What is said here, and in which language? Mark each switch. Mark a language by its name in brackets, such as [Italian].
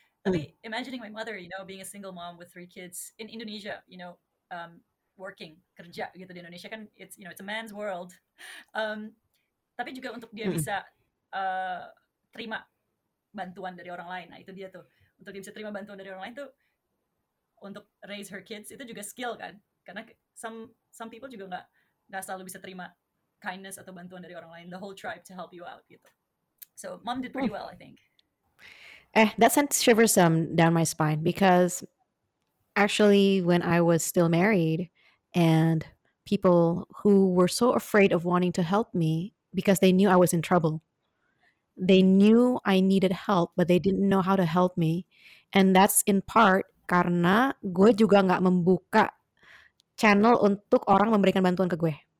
[English] Tapi imagining my mother, you know, being a single mom with three kids in Indonesia, you know, working, [Indonesian] kerja gitu di Indonesia kan, [English] it's, you know, it's a man's world. [Indonesian] Tapi juga untuk dia bisa terima bantuan dari orang lain, nah itu dia tuh, untuk dia bisa terima bantuan dari orang lain tuh untuk [English] raise her kids [Indonesian] itu juga skill kan, karena [English] some people [Indonesian] juga nggak selalu bisa terima kindness atau bantuan dari orang lain, [English] the whole tribe to help you out [Indonesian] gitu. [English] So mom did pretty well, I think. That sent shivers down my spine, because actually when I was still married and people who were so afraid of wanting to help me because they knew I was in trouble, they knew I needed help but they didn't know how to help me, and that's in part [Indonesian] karena gue juga gak membuka channel untuk orang memberikan bantuan ke gue.